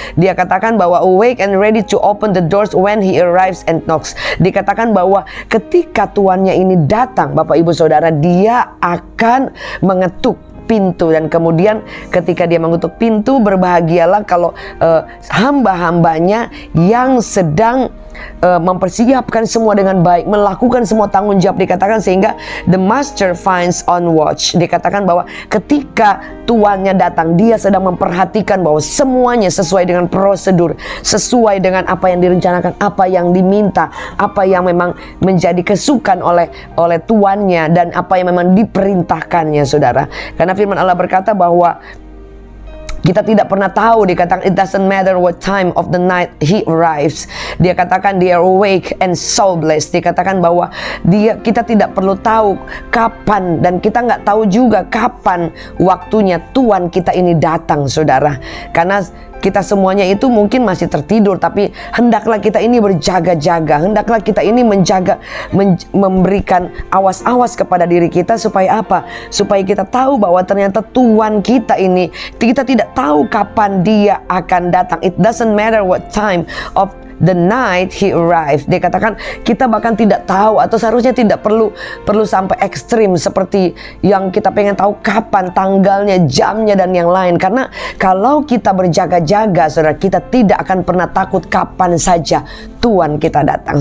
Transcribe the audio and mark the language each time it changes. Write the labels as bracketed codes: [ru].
[id] Dia katakan bahwa [en] awake and ready to open the doors when he arrives and knocks. [id] Dikatakan bahwa ketika tuannya ini datang, Bapak Ibu Saudara, dia akan mengetuk pintu. Dan kemudian ketika dia mengetuk pintu, berbahagialah kalau hamba-hambanya yang sedang mempersiapkan semua dengan baik, melakukan semua tanggung jawab, dikatakan, sehingga [en] the master finds on watch. [id] Dikatakan bahwa ketika tuannya datang, dia sedang memperhatikan bahwa semuanya sesuai dengan prosedur, sesuai dengan apa yang direncanakan, apa yang diminta, apa yang memang menjadi kesukaan oleh tuannya, dan apa yang memang diperintahkannya, Saudara. Karena firman Allah berkata bahwa kita tidak pernah tahu, dikatakan, [en] it doesn't matter what time of the night he arrives. [id] Dia katakan, [en] they are awake and so blessed. [id] Dikatakan bahwa kita tidak perlu tahu kapan, dan kita nggak tahu juga kapan waktunya tuan kita ini datang, Saudara. Karena kita semuanya itu mungkin masih tertidur, tapi hendaklah kita ini berjaga-jaga, hendaklah kita ini menjaga, memberikan awas-awas kepada diri kita, supaya apa? Supaya kita tahu bahwa ternyata Tuhan kita ini, kita tidak tahu kapan dia akan datang. [en] It doesn't matter what time of the night he arrived. [id] Dia katakan kita bahkan tidak tahu, atau seharusnya tidak perlu sampai ekstrim seperti yang kita pengen tahu kapan tanggalnya, jamnya, dan yang lain. Karena kalau kita berjaga-jaga, Saudara, kita tidak akan pernah takut kapan saja Tuhan kita datang.